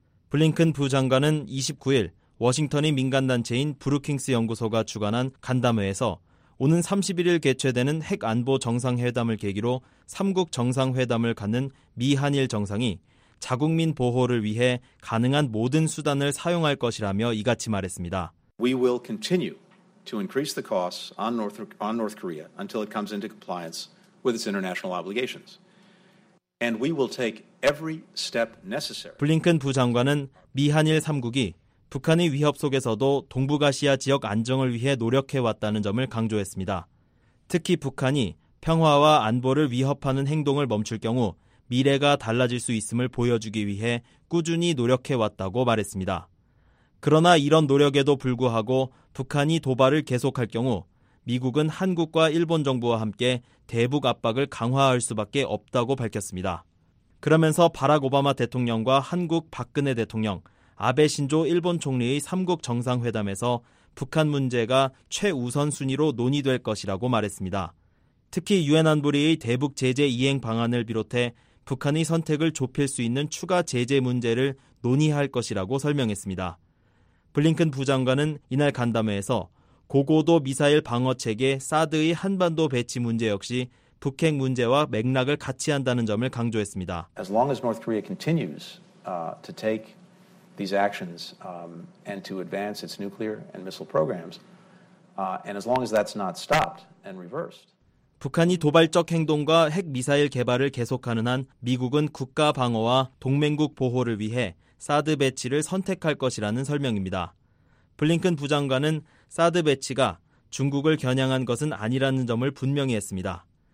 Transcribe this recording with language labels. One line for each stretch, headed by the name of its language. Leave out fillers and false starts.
Korean: 블링컨 부장관은 29일 워싱턴의 민간단체인 브루킹스 연구소가 주관한 간담회에서 오는 31일 개최되는 핵안보 정상회담을 계기로 3국 정상회담을 갖는 미한일 정상이 자국민 보호를 위해 가능한 모든 수단을 사용할 것이라며 이같이 말했습니다.
English: We will continue to increase the costs on North Korea until it comes into compliance with its international obligations. And we will take every step necessary.
Korean: 블링컨 부장관은 미한일 3국이 북한의 위협 속에서도 동북아시아 지역 안정을 위해 노력해왔다는 점을 강조했습니다. 특히 북한이 평화와 안보를 위협하는 행동을 멈출 경우 미래가 달라질 수 있음을 보여주기 위해 꾸준히 노력해왔다고 말했습니다. 그러나 이런 노력에도 불구하고 북한이 도발을 계속할 경우 미국은 한국과 일본 정부와 함께 대북 압박을 강화할 수밖에 없다고 밝혔습니다. 그러면서 바락 오바마 대통령과 한국 박근혜 대통령, 아베 신조 일본 총리의 3국 정상회담에서 북한 문제가 최우선순위로 논의될 것이라고 말했습니다. 특히 유엔 안보리의 대북 제재 이행 방안을 비롯해 북한의 선택을 좁힐 수 있는 추가 제재 문제를 논의할 것이라고 설명했습니다. 블링컨 부장관은 이날 간담회에서 고고도 미사일 방어체계 사드의 한반도 배치 문제 역시 북핵 문제와 맥락을 같이 한다는 점을 강조했습니다.
English: As long as North Korea continues to take these actions and to advance its nuclear and missile programs and as long as that's not stopped and reversed.
Korean: 북한이 도발적 행동과 핵 미사일 개발을 계속하는 한 미국은 국가 방어와 동맹국 보호를 위해 사드 배치를 선택할 것이라는 설명입니다. 블링컨 부장관은 사드 배치가 중국을 겨냥한 것은 아니라는 점을 분명히 했습니다.